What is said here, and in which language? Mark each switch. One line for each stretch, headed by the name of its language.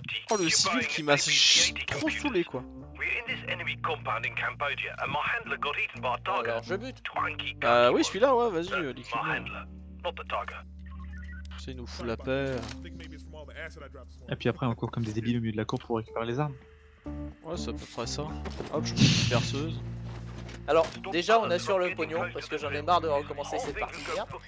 French: Oh, le civil qui m'a trop saoulé, quoi.
English: We're in this enemy compound in Cambodia and my handler got eaten by a tiger.
French: Alors, je bute. Oui, celui-là, ouais, vas-y, so, dis-moi.
English: My handler, not the tiger.
French: Ça, il nous fout la paix. Et puis après, on court comme des débiles au milieu de la cour pour récupérer les armes. Ouais, c'est à peu près ça. Hop, je prends une perceuse. Alors, déjà, on assure le pognon parce que j'en ai marre de recommencer cette partie-là.